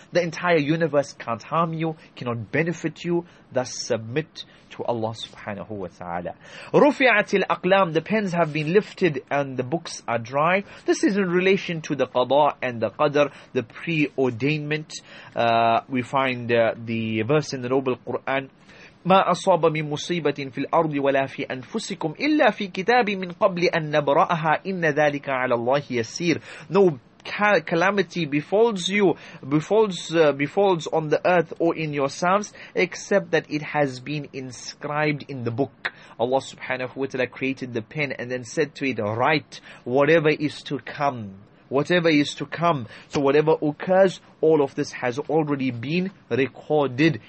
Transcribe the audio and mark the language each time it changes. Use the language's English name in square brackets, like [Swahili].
[English] The entire universe can't harm you, cannot benefit you. Thus submit to Allah subhanahu wa ta'ala. [Arabic] Rufi'at al-aqlam, [English] the pens have been lifted and the books are dry. This is in relation to the qada and the qadr, the preordainment. We find the verse in the noble Quran, [Arabic] ما أصاب من مصيبة في الأرض ولا في أنفسكم إلا في كتاب من قبل أن نبرأها إن ذلك على الله يسير. [English] No calamity befalls on the earth or in yourselves except that it has been inscribed in the book. Allah subhanahu wa ta'ala created the pen and then said to it, write whatever is to come. Whatever is to come. So whatever occurs, all of this has already been recorded.